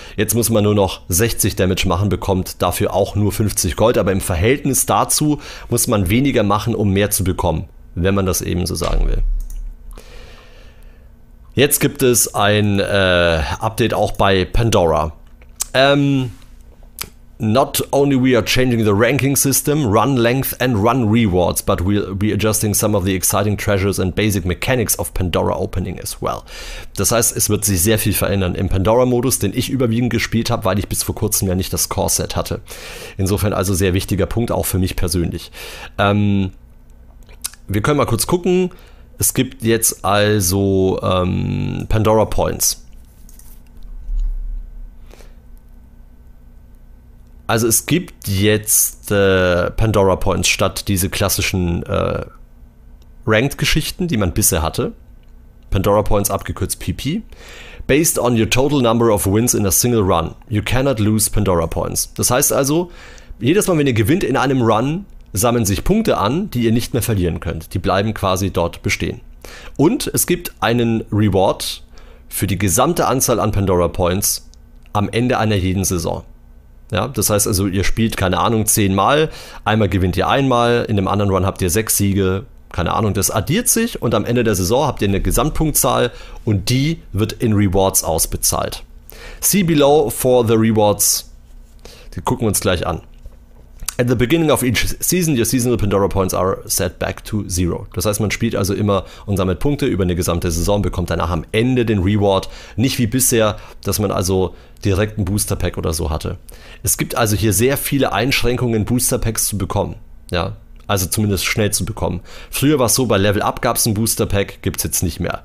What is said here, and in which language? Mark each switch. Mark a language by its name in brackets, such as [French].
[German] Jetzt muss man nur noch 60 Damage machen, bekommt dafür auch nur 50 Gold. Aber im Verhältnis dazu muss man weniger machen, um mehr zu bekommen, wenn man das eben so sagen will. Jetzt gibt es ein Update auch bei Pandora. [English] Not only we are changing the ranking system, run length and run rewards, but we'll be adjusting some of the exciting treasures and basic mechanics of Pandora Opening as well. [German] Das heißt, es wird sich sehr viel verändern im Pandora-Modus, den ich überwiegend gespielt habe, weil ich bis vor kurzem ja nicht das Core-Set hatte. Insofern also sehr wichtiger Punkt, auch für mich persönlich. Wir können mal kurz gucken. Es gibt jetzt also Pandora Points. Also es gibt jetzt Pandora Points statt diese klassischen Ranked-Geschichten, die man bisher hatte. Pandora Points, abgekürzt PP. [English] Based on your total number of wins in a single run, you cannot lose Pandora Points. [German] Das heißt also, jedes Mal, wenn ihr gewinnt in einem Run, sammeln sich Punkte an, die ihr nicht mehr verlieren könnt. Die bleiben quasi dort bestehen. Und es gibt einen Reward für die gesamte Anzahl an Pandora Points am Ende einer jeden Saison. Ja, das heißt also, ihr spielt, keine Ahnung, 10 Mal, einmal gewinnt ihr einmal, in dem anderen Run habt ihr 6 Siege, keine Ahnung, das addiert sich und am Ende der Saison habt ihr eine Gesamtpunktzahl und die wird in Rewards ausbezahlt. [English] See below for the Rewards, [German] die gucken wir uns gleich an. [English] At the beginning of each season, your seasonal Pandora Points are set back to zero. [German] Das heißt, man spielt also immer und sammelt Punkte über eine gesamte Saison und bekommt danach am Ende den Reward. Nicht wie bisher, dass man also direkt ein Booster Pack oder so hatte. Es gibt also hier sehr viele Einschränkungen, Booster Packs zu bekommen. Ja, also zumindest schnell zu bekommen. Früher war es so, bei Level Up gab es ein Booster Pack, gibt es jetzt nicht mehr.